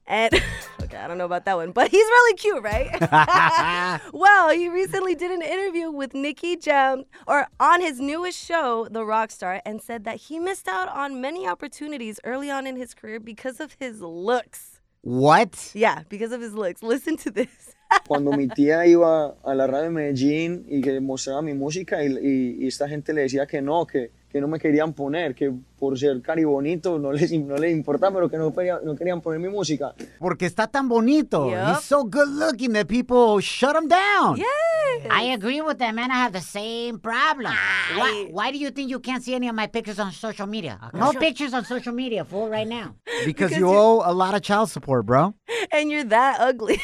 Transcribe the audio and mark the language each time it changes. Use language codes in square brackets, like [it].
[en] And, okay, I don't know about that one, but he's really cute, right? Well, he recently did an interview with Nicki Jam on his newest show, The Rockstar, and said that he missed out on many opportunities early on in his career because of his looks. What? Yeah, because of his looks. Listen to this. [es] Cuando mi tía iba a la radio de Medellín y que mostraba mi música y esta gente le decía que no me querían poner, que por ser cari bonito no les importaba, pero que no querían poner mi música. Porque está tan bonito. [en] Yep. He's so good looking that people shut him down. Yeah. I agree with that, man. I have the same problem. Why do you think you can't see any of my pictures on social media? Okay. No pictures on social media, fool, right now. Because you owe a lot of child support, bro. And you're that ugly.